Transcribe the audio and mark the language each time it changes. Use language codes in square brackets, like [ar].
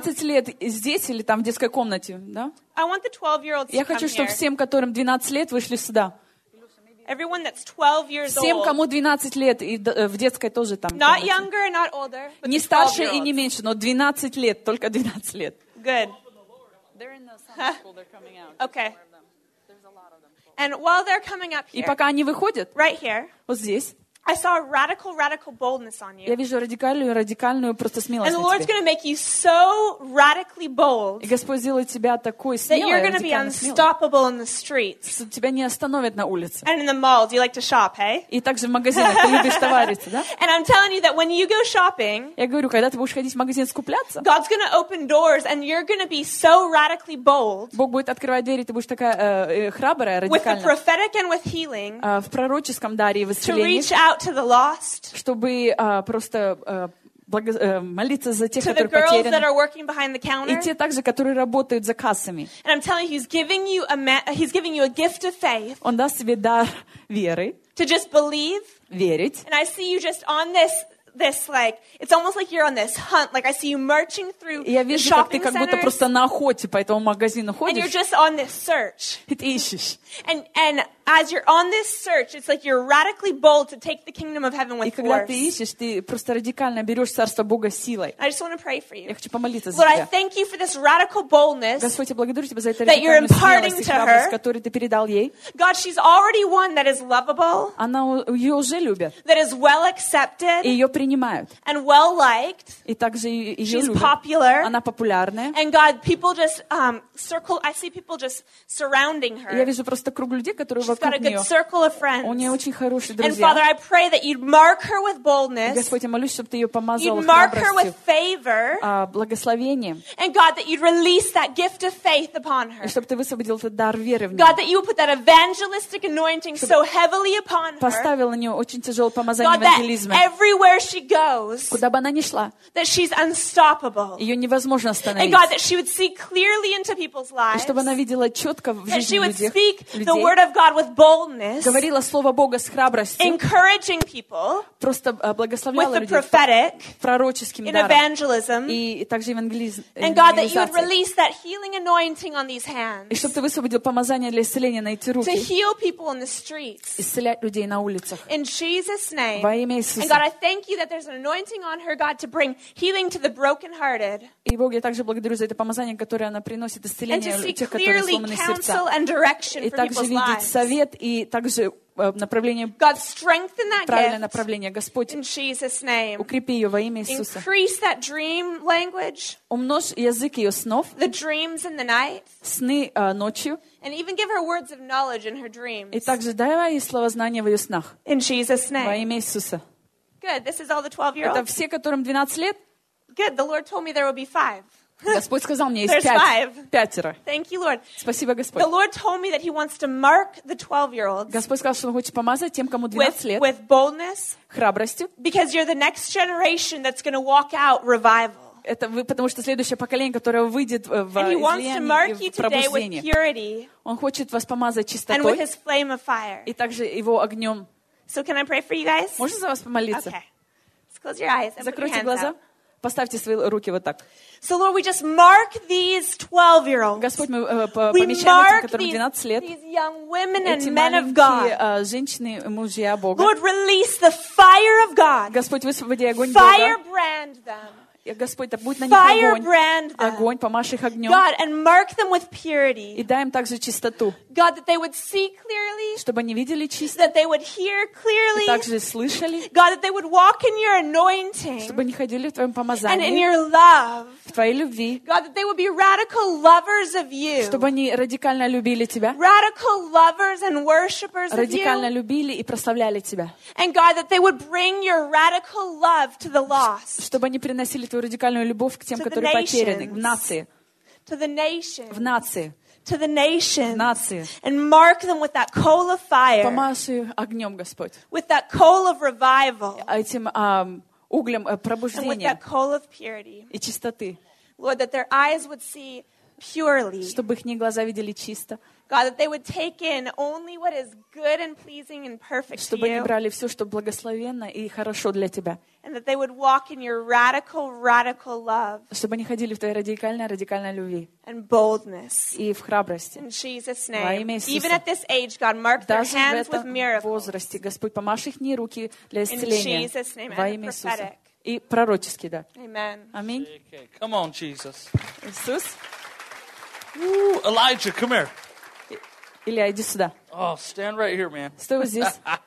[ru] 12 лет здесь или там в детской комнате, да? [en] I want the 12-year-olds to come here. [ru] Я хочу, чтобы всем, которым 12 лет, вышли сюда. [en] Everyone that's 12 years old. [ru] Всем, кому 12 лет, и в детской тоже там. [en] Not younger, not older, but [ru] не старше и не меньше, но 12 лет, только 12 лет. [en] Good. They're in the summer school, they're coming out. Okay. And while they're coming up here, [ru] и пока они выходят, [en] right here, [ru] вот здесь, [en] I saw a radical, radical boldness on you. [ru] Я вижу радикальную, радикальную просто смелость на тебе. [en] And the Lord's going to make you so radically bold. [ru] И Господь сделает тебя такой смелой, [en] that you're going to be unstoppable in the streets. [ru] Что тебя не остановят на улице. [en] And in the malls, you like to shop, hey? [ru] И также в магазинах ты любишь товариться, да? [en] And I'm telling you that when you go shopping, [ru] я говорю, когда ты будешь ходить в магазин скупляться, [en] God's going to open doors, and you're going to be so radically bold. [ru] Бог будет открывать двери, ты будешь такая храбрая, радикальная. [en] With the prophetic and with healing. [ru] В пророческом даре и в исцелении. [en] To reach out to the lost, [ru] чтобы просто молиться за тех, которые потеряны. [en] To the girls that are working behind the counter. [ru] И те также, которые работают за кассами. [en] And I'm telling you, he's giving you a gift of faith. [ru] Он даст тебе дар веры. [en] To just believe. [ru] Верить. [en] And I see you just on this like it's almost like you're on this hunt. Like I see you marching through the shopping centers. [ru] Я вижу, как ты как будто просто на охоте по этому магазину ходишь. [en] And you're just on this search. [ru] И ты ищешь. [en] And as you're on this search, it's like you're radically bold to take the kingdom of heaven with force. [ru] И когда ты ищешь, ты просто радикально берешь царство Бога силой. [en] I just want to pray for you. [ru] Я хочу помолиться за тебя. [en] Lord, I thank you for this radical boldness. [ru] Господь, я благодарю тебя за это радикальную смелость, храбрость, которую ты передал ей. [en] God, she's already one that is lovable. [ru] Она ее уже любят. [en] That is well accepted. [ru] И ее принимают. [en] And well liked. [ru] И также ее любят. [en] She's popular. [ru] Она популярная. [en] And God, people just circle. I see people just surrounding her. [ru] Я вижу просто круг людей, которые [en] She's got a good circle of friends. [ru] У нее очень хорошие друзья. [en] And Father, I pray that you'd mark her with boldness. [ru] Господь, я молюсь, чтобы ты ее помазал храбростью. [en] You'd mark her with favor. [ru] Благословением. [en] And God, that you'd release that gift of faith upon her. [ru] И чтобы ты высвободил этот дар веры в нее. [en] God, that you would put that evangelistic anointing so heavily upon her. [ru] Поставил на нее очень тяжелое помазание евангелизма. [en] Everywhere she goes, [ru] куда бы она ни шла, [en] that she's unstoppable. [ru] Ее невозможно остановить. [en] And God, that she would see clearly into people's lives. [ru] И чтобы она видела четко в жизни людей. [en] That she would speak the word of God. With boldness, [ru] говорила слово Бога с храбростью, [en] encouraging people, [ru] просто благословляла [en] with the [ru] людей [en] prophetic, [ru] пророческим [en] in evangelism, [ru] даром и также евангелизм. [en] And God, that you would release that healing anointing on these hands, [ru] и чтобы ты высвободил помазание для исцеления на эти руки, [en] to heal people in the streets, [ru] исцелять людей на улицах. [en] In Jesus' name, [ru] во имя Иисуса. [en] And God, I thank you that there's an anointing on her, God, to bring healing to the brokenhearted. [ru] И Бог, я также благодарю за это помазание, которое она приносит исцеление тех, которые сломаны сердца. [en] And to see clearly counsel and direction for people's lives. [ru] Совет и также направление, [en] God, strengthen that [ru] правильное [en] gift [ru] направление, Господь, [en] in Jesus' name. [ru] Укрепи ее во имя Иисуса. [en] Increase that dream language, [ru] умножь язык ее снов, [en] the dreams in the night, [ru] сны ночью, [en] and even give her words of knowledge in her dreams, [ru] и также дай ей слова знания в ее снах, [en] in Jesus' name. [ru] Во имя Иисуса. [en] Good, this is all the 12-year-olds. [ru] Это все, которым 12 лет? [en] Good, the Lord told me there will be 5. [ru] Господь сказал мне, есть пятеро. [en] Thank you, Lord. [ru] Спасибо, Господь. [en] The Lord told me that He wants to mark the 12-year-olds. [ru] Господь сказал, что Он хочет помазать тем, кому 12 лет. [en] With boldness. [ru] Храбростью. [en] Because you're the next generation that's going to walk out revival. [ru] Это вы, потому что следующее поколение, которое выйдет в излияние и в пробуждение. Он хочет вас помазать чистотой. [en] And with His flame of fire. [ru] И также Его огнем. [en] So can I pray for you guys? [ru] Можно за вас помолиться? [en] Okay. So close your eyes and [ru] закройте [en] put your [ru] глаза. [en] Out. [ru] Поставьте свои руки вот так. [en] So Lord, we just mark these 12-year-olds. [ru] Господь, мы помещаем этим, которым 12 лет. [en] These young women and men of God. [ru] Женщины, мужья Бога. [en] Lord, release the fire of God. [ru] Господь, высвободи огонь [en] fire [ru] Бога. [en] Fire brand them. [ru] Господь, да будь на них огонь. Огонь, помажь их огнем. [en] God, and mark them with purity. [ru] И дай им также чистоту. [en] God, that they would see clearly, [ru] чтобы они видели чисто. [en] That they would hear clearly, [ru] и также слышали. [en] God, that they would walk in your anointing, [ru] чтобы они ходили в твоем помазании. [en] And in your love, [ru] в твоей любви. [en] God, that they would be radical lovers of you, [ru] чтобы они радикально любили тебя. [en] Radical lovers and worshipers of you, [ru] радикально любили и прославляли тебя. [en] And God, that they would bring your radical love to the lost, [ru] чтобы они приносили твою радикальную любовь к тем, которые потеряны, в нации. [en] To the nations, [ru] в нации. [en] To the nations, [ru] в нации. [en] And mark them with that coal of fire, [ru] помажь ее огнем, Господь. [en] With that coal of revival, [ru] этим углем пробуждения. [en] And with that coal of purity, [ru] и чистоты. [en] Lord, that their eyes would see purely, [ru] чтобы их глаза видели чисто. [en] God, that they would take in only what is good and pleasing and perfect to you. [ru] Чтобы брали все, что благословенно и хорошо для тебя. [en] And that they would walk in your radical, radical love. [ru] Чтобы они ходили в твоей радикальной, радикальной любви. [en] And boldness. [ru] И в храбрости. [en] In Jesus' name. [ru] Во имя Иисуса. [en] Even at this age, God, mark their hands with miracles. [ru] В возрасте, Господь, помажь их руки для исцеления. [en] In Jesus' name. [ru] Во имя Иисуса. [en] Prophetic. [ru] И пророчески, да. [en] Amen. [ru] Аминь. [en] Okay. Come on, Jesus. [ru] Иисус. [en] Ooh, Elijah, come here. [ru] Илья, иди сюда. [en] Oh, stand right here, man. [ru] Стой вот здесь.